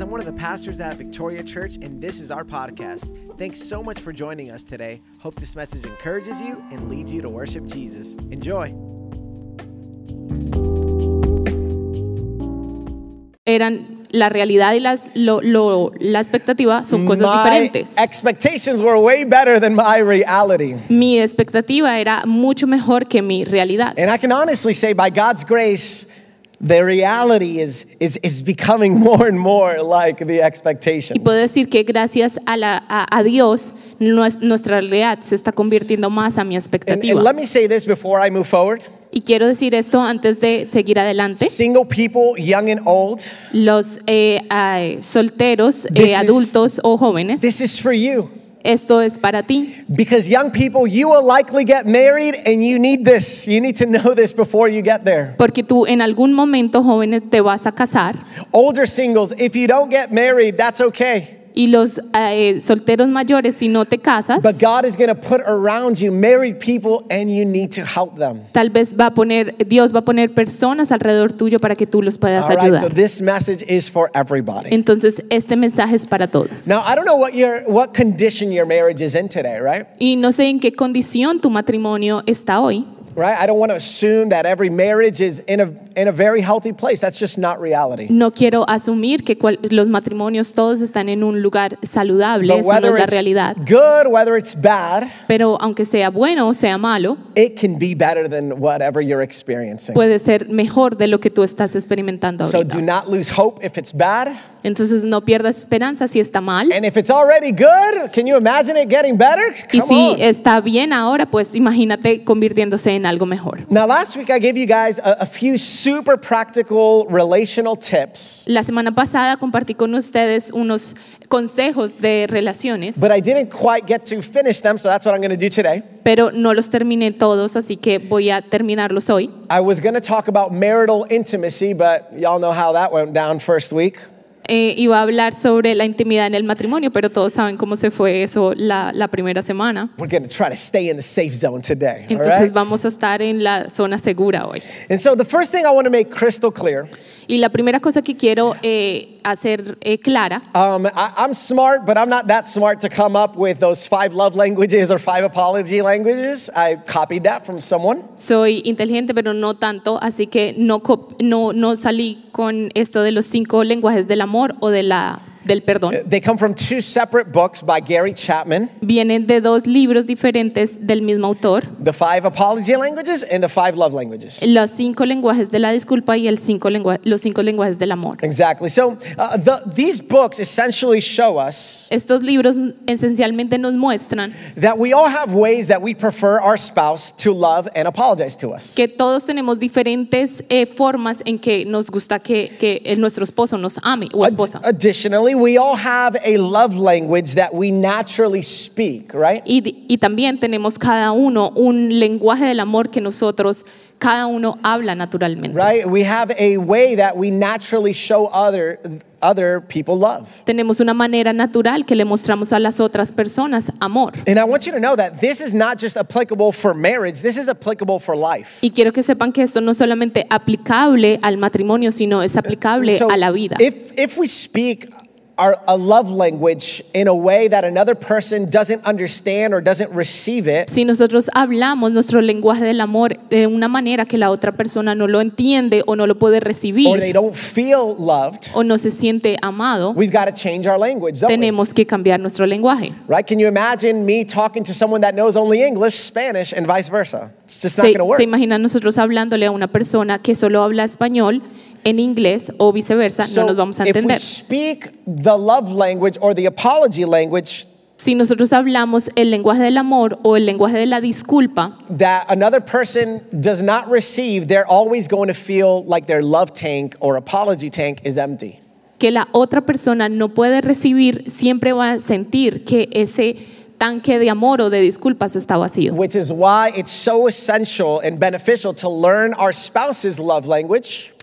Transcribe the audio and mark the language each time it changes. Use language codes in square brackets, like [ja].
[en] I'm one of the pastors at Victoria Church, and this is our podcast. Thanks so much for joining us today. Hope this message encourages you and leads you to worship Jesus. Enjoy. [es] Eran la realidad y las la expectativa son cosas diferentes. [en] My expectations were way better than my reality. [es] Mi expectativa era mucho mejor que mi realidad. [en] And I can honestly say, by God's grace, the reality is becoming more and more like the expectations. [es] Y puedo decir que gracias a Dios nuestra realidad se está convirtiendo más a mi expectativa. [en] And let me say this before I move forward. [es] Y quiero decir esto antes de seguir adelante. [en] Single people, young and old. [es] Los solteros, adultos o jóvenes. [en] This is for you. [es] Esto es para ti. [en] Because young people, you will likely get married and you need this. You need to know this before you get there. [es] Porque tú en algún momento, jóvenes, te vas a casar. [en] Older singles, if you don't get married, that's okay. [es] Y los solteros mayores, si no te casas, [en] but God is going to put around you married people and you need to help them. [es] Tal vez va a poner, Dios va a poner personas alrededor tuyo para que tú los puedas [en] All right, [es] ayudar. [en] So this message is for everybody. [es] Entonces, este mensaje es para todos. [en] Now, I don't know what condition your marriage is in today, right? [es] Y no sé en qué condición tu matrimonio está hoy. [en] Right, I don't want to assume that every marriage is in a very healthy place. That's just not reality. [es] No quiero asumir que los matrimonios todos están en un lugar saludable, [en] but whether [es] es la realidad. [en] It's good, whether it's bad, [es] pero aunque sea bueno o sea malo, [en] it can be better than whatever you're experiencing. [es] Puede ser mejor de lo que tú estás experimentando ahorita. [en] So do not lose hope if it's bad. [es] Entonces no pierdas esperanza si está mal. [en] And if it's already good, can you imagine it getting better? [es] Y si está bien ahora, pues imagínate convirtiéndose en algo mejor. [en] Now last week I gave you guys a few super practical relational tips. [es] La semana pasada compartí con ustedes unos consejos de relaciones. [en] But I didn't quite get to finish them, so that's what I'm going to do today. [es] Pero no los terminé todos, así que voy a terminarlos hoy. [en] I was going to talk about marital intimacy, but y'all know how that went down first week. [es] Iba a hablar sobre la intimidad en el matrimonio, pero todos saben cómo se fue eso la primera semana. [en] We're going to try to stay in the safe zone today. [es] Entonces [en] all right? [es] Vamos a estar en la zona segura hoy. [en] And so the first thing I want to make crystal clear. [es] Y la primera cosa que quiero hacer clara. [en] I'm smart, but I'm not that smart to come up with those five love languages or five apology languages. I copied that from someone. [es] Soy inteligente, pero no tanto, así que no salí con esto de los cinco lenguajes del amor o del perdón. [en] They come from two separate books by Gary Chapman. [es] Vienen de dos libros diferentes del mismo autor. [en] The five apology languages and the five love languages. [es] Los cinco lenguajes de la disculpa y los cinco lenguajes del amor. [en] Exactly. So these books essentially show us. [es] Estos libros esencialmente nos muestran [en] that we all have ways that we prefer our spouse to love and apologize to us. [es] Que todos tenemos diferentes formas en que nos gusta que nuestro esposo nos ame o esposa. [en] Additionally, we all have a love language that we naturally speak, right? [es] Y también tenemos cada uno un lenguaje del amor que nosotros cada uno habla naturalmente. [en] Right? We have a way that we naturally show other people love. [es] Tenemos una manera natural que le mostramos a las otras personas amor. [en] And I want you to know that this is not just applicable for marriage, this is applicable for life. [es] Y quiero que sepan que esto no es solamente aplicable al matrimonio, sino es aplicable a la vida. [en] If we speak a love language in a way that another person doesn't understand or doesn't receive it. [es] Si nosotros hablamos nuestro lenguaje del amor de una manera que la otra persona no lo entiende o no lo puede recibir. [en] Or they don't feel loved. [es] O no se siente amado. [en] We've got to change our language, don't [es] tenemos [en] we? [es] Que cambiar nuestro lenguaje. [en] Right? Can you imagine me talking to someone that knows only English, Spanish, and vice versa? It's just not going to work. [es] Se imagina nosotros hablándole a una persona que solo habla español en inglés o viceversa, [en] so [es] no nos vamos a entender. [en] If we speak the love language or the apology language, [es] si nosotros hablamos el lenguaje del amor o el lenguaje de la disculpa, [en] that another person does not receive, they're always going to feel like their love tank or apology tank is empty. [es] Que la otra persona no puede recibir, siempre va a sentir que ese tanque de amor o de disculpas está vacío. [en] Which is why it's so essential and beneficial to learn our spouse's love language.